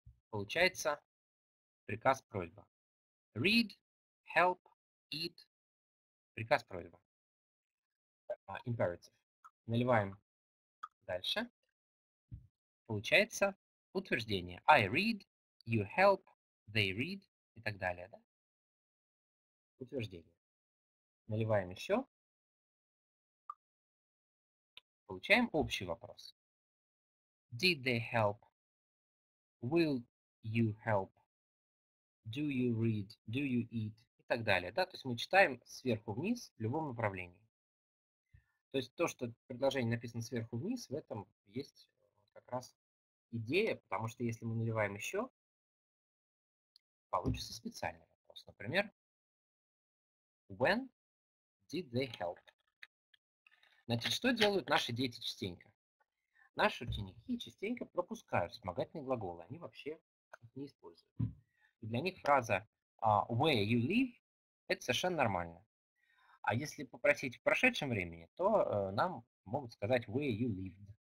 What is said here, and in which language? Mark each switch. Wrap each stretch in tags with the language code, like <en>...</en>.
<ru>Получается приказ-просьба.</ru> <en>Read, help, eat.</en> <ru>Приказ-просьба.</ru> <en>Imperative.</en> <ru>Наливаем дальше. Получается утверждение.</ru> <en>I read, you help, they read</en> <ru>и так далее. Да? Утверждение. Наливаем еще. Получаем общий вопрос.</ru> <en>Did they help? Will you help? Do you read? Do you eat?</en> <ru>И так далее. Да? То есть мы читаем сверху вниз в любом направлении. То есть то, что предложение написано сверху вниз, в этом есть как раз идея, потому что если мы наливаем еще, получится специальный вопрос. Например,</ru> <en>when did they help?</en> <ru>Значит, что делают наши дети частенько? Наши ученики частенько пропускают вспомогательные глаголы. Они вообще их не используют. И для них фраза</ru> <en>where you live</en> <ru>– это совершенно нормально. А если попросить в прошедшем времени, то нам могут сказать</ru> <en>where you lived.</en>